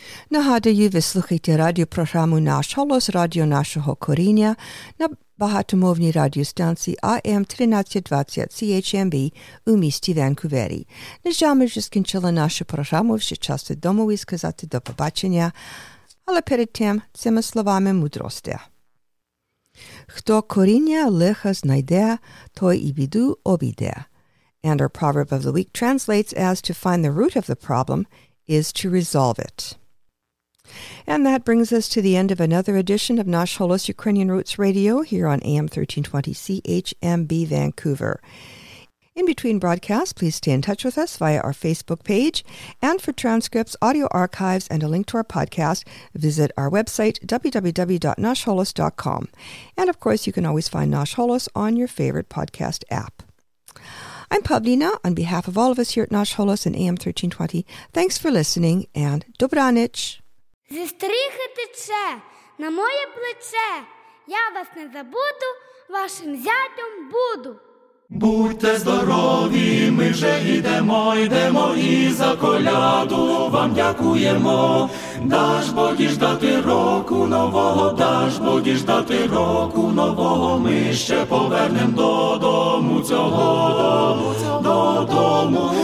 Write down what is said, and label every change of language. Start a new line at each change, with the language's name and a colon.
Ukrainian: Нагадую, ви слухаєте радіопрограму «Наш Голос», радіо нашого коріння на багатомовній радіостанції АМ 1320 CHMB у місті Ванкувері. На жаль, ми вже скінчили нашу програму, ще час відомо і сказати до побачення, але перед тим цими словами мудрості. Хто коріння лиха знайде, той і біду обійде.
English: And our proverb of the week translates as to find the root of the problem is to resolve it. And that brings us to the end of another edition of Nash Holos Ukrainian Roots Radio here on AM 1320 CHMB Vancouver. In between broadcasts, please stay in touch with us via our Facebook page. And for transcripts, audio archives, and a link to our podcast, visit our website, www.nashholos.com. And of course, you can always find Nash Holos on your favorite podcast app. I'm Pavlina. On behalf of all of us here at Nash Holos and AM 1320, thanks for listening and Dobranich.
Ukrainian: Зі стріхи тече на моє плече, я вас не забуду, вашим зятем буду. Будьте здорові, ми вже йдемо, йдемо і за коляду вам дякуємо. Даш Боги ждати року нового, даш Боги ждати року нового, ми ще повернем додому цього, додому.